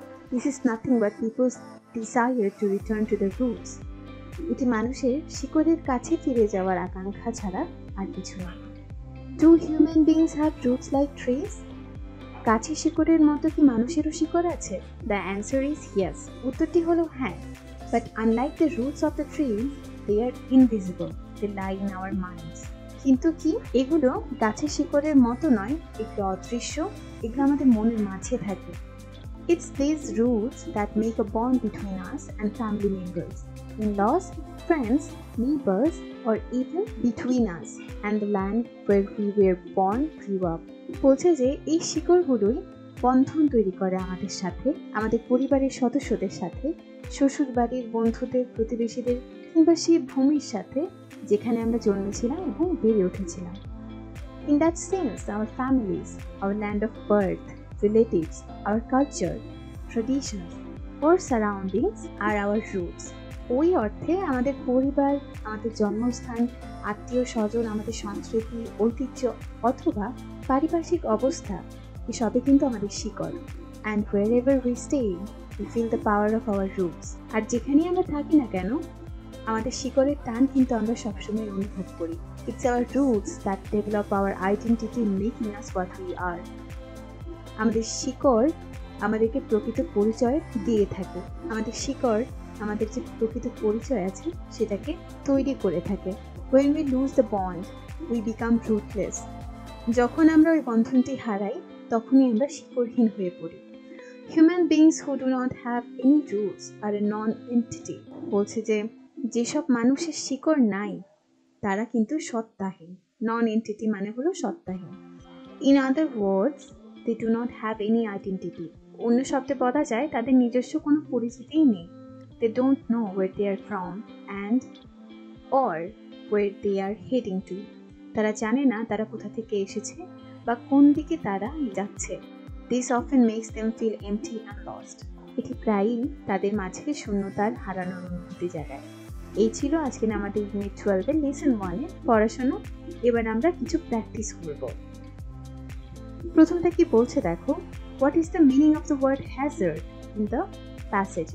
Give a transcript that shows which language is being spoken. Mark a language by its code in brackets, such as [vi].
[en] this is nothing but people's desire to return to the roots, [bn] এটি মানুষের শিকড়ের কাছে ফিরে যাওয়ার আকাঙ্ক্ষা ছাড়া আর কিছু না। [en] do human beings have roots like trees, [bn] গাছের শিকড়ের মতো কি মানুষেরও শিকড় আছে? [en] the answer is yes, [bn] উত্তরটি হলো হ্যাঁ। [en] But unlike the roots of the trees, they are invisible. They lie in our minds. [bn] কিন্তু কি এগুলো গাছের শিকড়ের মতো নয়, এগুলো অদৃশ্য, এগুলো আমাদের মনের মাঝে থাকে। [en] It's these roots that make a bond between us and family members. In loss, friends, neighbors, or even between us and the land where we were born, grew up. [bn] বলছে যে এই শিকড়গুলোই বন্ধন তৈরি করে আমাদের সাথে, আমাদের পরিবারের সদস্যদের সাথে, শ্বশুর বাড়ির বন্ধুদের, প্রতিবেশীদের, কিংবা সেই ভূমির সাথে যেখানে আমরা জন্মেছিলাম এবং বেড়ে উঠেছিলাম। [en] In that sense, our families, our land of birth, relatives, our culture, traditions, or surroundings are our roots. [bn] ওই অর্থে আমাদের পরিবার, আমাদের জন্মস্থান, আত্মীয় স্বজন, আমাদের সংস্কৃতি, ঐতিহ্য অথবা পারিপার্শ্বিক অবস্থা, এসবে কিন্তু আমাদের শিকড়। [en] And wherever we stay, we feel the power of our roots. [bn] আর যেখানেই আমরা থাকি না কেন, আমাদের শিকড়ের টান কিন্তু আমরা সবসময় অনুভব করি। [en] It's our roots that develop our identity, making us what we are. [bn] আমাদের শিকড় আমাদেরকে প্রকৃত পরিচয় দিয়ে থাকে। আমাদের শিকড় আমাদের যে প্রকৃত পরিচয় আছে সেটাকে তৈরি করে থাকে। [en] When we lose the bond, we become rootless. [bn] যখন আমরা ওই বন্ধনটি হারাই, তখনই আমরা শিকড়হীন হয়ে পড়ি। [en] Human beings who do not have any roots are a non-entity. [bn] বলছে যে যেসব মানুষের শিকড় নাই, তারা কিন্তু সত্তাহীন। Non-entity মানে হলো সত্তাহীন। [en] In other words, they do not have any identity. [bn] অন্য শব্দে বলা যায়, তাদের নিজস্ব কোনো পরিচিতি নেই। [en] They don't know where they are from and or where they are heading to. [bn] তারা জানে না তারা কোথা থেকে এসেছে বা কোন দিকে তারা যাচ্ছে। [en] This often makes them feel empty and lost. [bn] এটি প্রায়ই তাদের মাঝে শূন্যতার হারানোর অনুভূতি জাগায়। এই ছিল আজকের আমাদের ইউনিট 12 এর লেসন 1 এর পড়াশোনা। এবার আমরা কিছু প্র্যাকটিস করব। প্রথমটা কি বলছে দেখো, [en] What is the meaning of the word hazard in the passage.